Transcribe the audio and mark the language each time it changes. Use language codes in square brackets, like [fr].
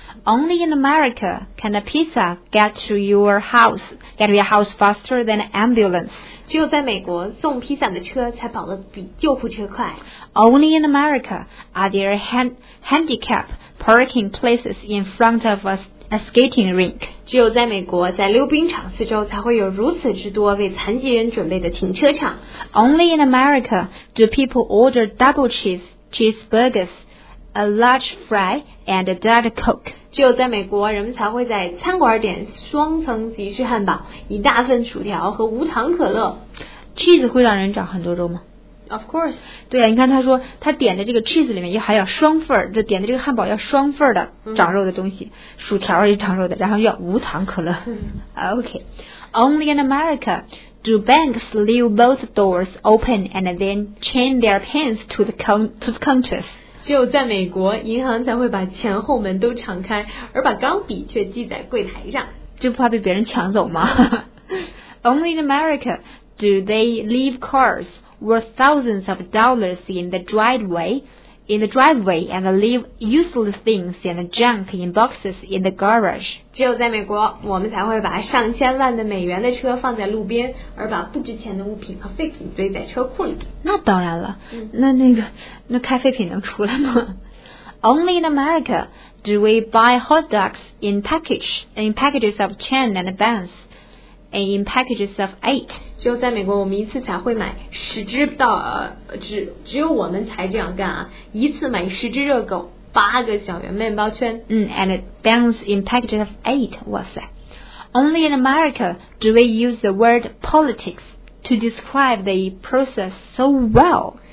[en] Only in America can a pizza get to your house faster than an ambulance. [zh] 只有在美国送披萨的车才跑得比救护车快。 [en] Only in America are there handicap parking places in front of a skating rink. [zh] 只有在美国，在溜冰场四周才会有如此之多为残疾人准备的停车场。 [en] Only in America do people order double cheese, cheeseburgers, a large fry, and a diet coke. [zh] 只有在美国，人们才会在餐馆点双层吉士汉堡、一大份薯条和无糖可乐。 Cheese 会让人长很多肉吗？ [en] Of course. [zh] 对啊，你看他说他点的这个 cheese 里面还要双份儿，这点的这个汉堡要双份儿的长肉的东西、薯条也长肉的，然后要无糖可乐。 [en] OK. Only in America do banks leave both doors open and then chain their pins to the counters. [zh] 只有在美国，银行才会把前后门都敞开，而把钢笔却系在柜台上。就怕被别人抢走吗？ [en] Only in America do they leave cars worth thousands of dollars in the driveway and leave useless things and junk in boxes in the garage. [zh] 只有在美国，我们才会把上千万的美元的车放在路边，而把不值钱的物品和废品堆在车库里。那当然了，那开废品能出来吗？ [en] Only in America do we buy hot dogs in packages of 10 and buns. In packages of 8. [zh] 只有在美国，我们一次才会买十只到只有我们才这样干啊！一次买十只热狗，八个小圆面包圈。 [en] And buns in packages of 8. [zh] 哇塞 [en] ！Only in America do we use the word politics to describe the process so well.